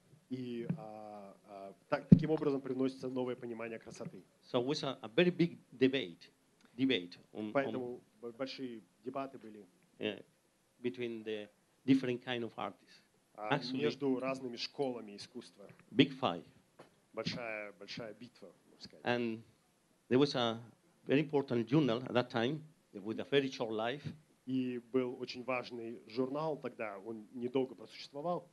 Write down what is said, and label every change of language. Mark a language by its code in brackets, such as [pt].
[ru] И таким образом привносится новое понимание красоты. [en] So it was a very big debate. [ru] Поэтому большие дебаты были. [en] Between the different kind of artists. [ru] Actually, между разными школами искусства. [en] Big fight. [ru] Большая битва, можно сказать. [en] And there was a very important journal at that time with a very short life. [ru] И был очень важный журнал тогда, он недолго просуществовал.